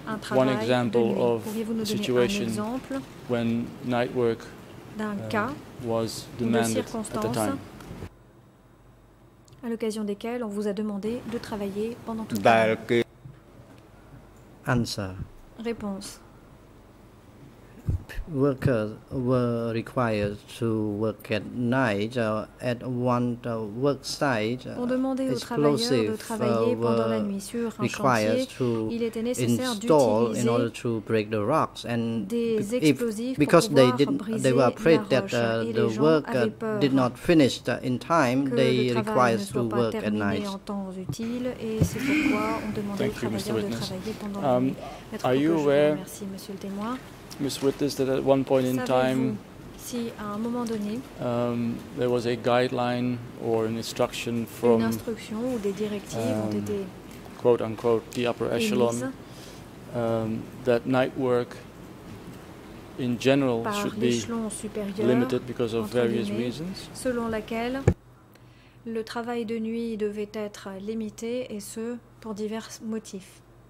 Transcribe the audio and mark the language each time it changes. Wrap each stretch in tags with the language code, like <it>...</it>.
<en>One example of a situation when night work was demanded at the time.</en> <fr>À l'occasion desquelles on vous a demandé de travailler pendant toute la nuit.</fr> <en>Answer.</en> <fr>Réponse.</fr> <en>workers were required to work at night at one work site.</en> <fr>On demandait aux travailleurs de travailler pendant la nuit sur un chantier. Il était nécessaire d'utiliser</fr> <en>in order to break the rocks and</en> <fr>des explosifs</fr> <en>because</en> <fr>pour pouvoir</fr> <en>they were afraid</en> <fr>la roche</fr> <en>that the work did not finish in time, they required to work at night.</en> <fr>En temps utile, et c'est pourquoi on demandait aux travailleurs de travailler pendant la nuit.</fr> <en>Are you aware?</en> <fr>Merci, monsieur le témoin.</fr> <en>Ms. Witness, that at one point in time,</en> <fr>si à un moment donné,</fr> <en>there was a guideline or an instruction from,</en> <fr>une instruction ou des directives ont été</fr> <en>quote unquote, the upper echelon, that night work in general should be limited because of various reasons.</en> <fr>Selon laquelle le travail de nuit devait être limité et ce pour divers motifs.</fr>